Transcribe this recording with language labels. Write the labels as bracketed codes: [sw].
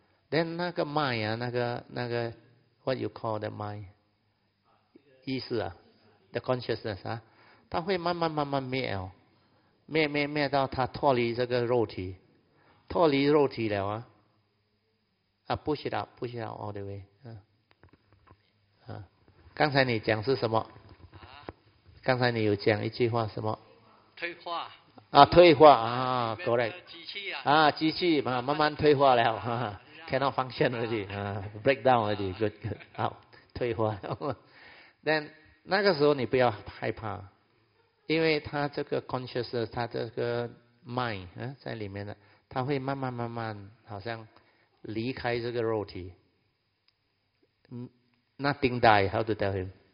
[zh] Then 那个 mind 啊，那个 [en] what you call the mind? [zh] 意识啊 ，the consciousness 啊，它会慢慢灭哦，灭到它脱离这个肉体，脱离肉体了啊。 [en] Push it out all the way. [zh] 刚才你讲是什么？刚才你有讲一句话什么？退化。退化啊，过来。机器嘛，慢慢退化了哈 ， [en] cannot function already， breakdown already， [zh] good， 好，退化了。 Then 那个时候你不要害怕，因为他这个 consciousness， 他这个 mind 在里面的，他会慢慢好像离开这个肉体。 [en] Nothing die. How to tell him?